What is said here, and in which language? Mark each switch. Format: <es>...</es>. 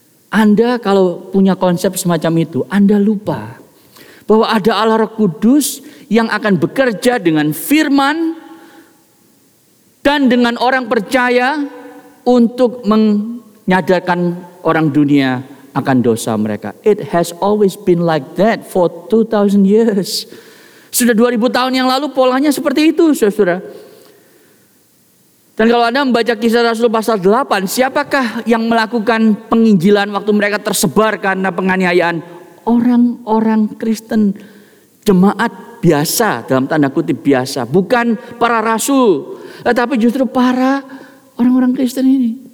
<id>Anda kalau punya konsep semacam itu, Anda lupa bahwa ada Allah Roh Kudus yang akan bekerja dengan firman dan dengan orang percaya untuk menyadarkan orang dunia akan dosa mereka.</id> <en>It has always been like that for 2000 years.</en> <id>Sudah 2000 tahun yang lalu polanya seperti itu, saudara. Dan kalau Anda membaca Kisah Rasul pasal 8, siapakah yang melakukan penginjilan waktu mereka tersebar karena penganiayaan? Orang-orang Kristen, jemaat biasa, dalam tanda kutip biasa, bukan para rasul, tetapi justru para orang-orang Kristen ini.</id>